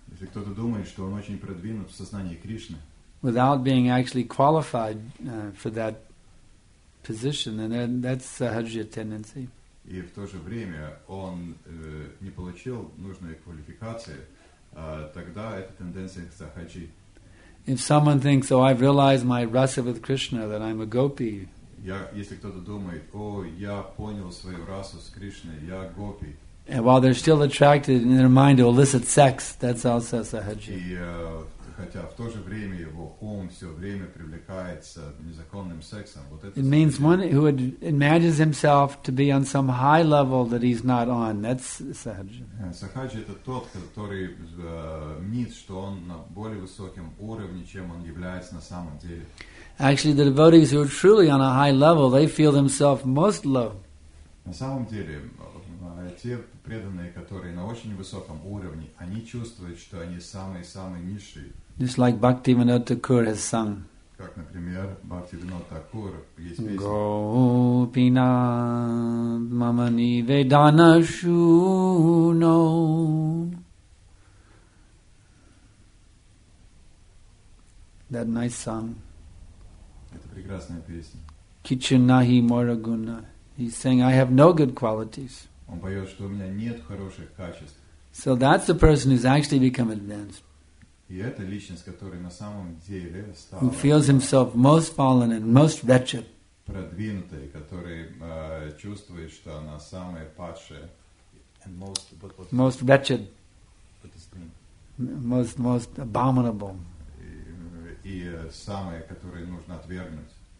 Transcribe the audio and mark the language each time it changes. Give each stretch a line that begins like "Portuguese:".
Russian: если кто-то думает, что он очень продвинут в сознании Кришны,
English: without being actually qualified for that position, then that's sahajya tendency.
Russian: И в то же время он не получил нужной квалификации, тогда это тенденция к сахаджи.
English: If someone thinks, oh, I've realized my rasa with Krishna, that I'm a gopi.
Russian: Если кто-то думает, о, я понял свою расу с Кришной, я гопи.
English: And while they're still attracted in their mind to illicit sex, that's also sahaji.
Russian: Хотя в то же время его ум все время привлекается незаконным сексом.
English: It means one who imagines himself to be on some high level that he's not on. That's sahaja.
Russian: Сахаджи это тот, который мнит, что он на более высоком уровне, чем он является на самом деле.
English: Actually, the devotees who are truly on a high level, they feel themselves most low.
Russian: На самом деле, те преданные, которые на очень высоком уровне, они чувствуют, что они самые-самые низшие.
English: Just like Bhakti Vinod Thakur has sung.
Russian: Как, например, Bhakti Vinod Thakur есть песня.
Bangla: Gopinath mama nivedana shuno.
English: That nice song.
Russian: Это прекрасная песня.
Bangla: Kichunahi moraguna.
English: He's saying, I have no good qualities.
Russian: Он поет, что у меня нет хороших качеств.
English: So that's the person who's actually become advanced.
Russian: И это личность, которая на самом деле стала.
English: Who feels himself most fallen and most wretched.
Russian: Продвинутая, которая чувствует, что она самая падшая.
English: And most, most wretched. What does it mean? Most abominable.
Russian: И самая, которую нужно отвергнуть.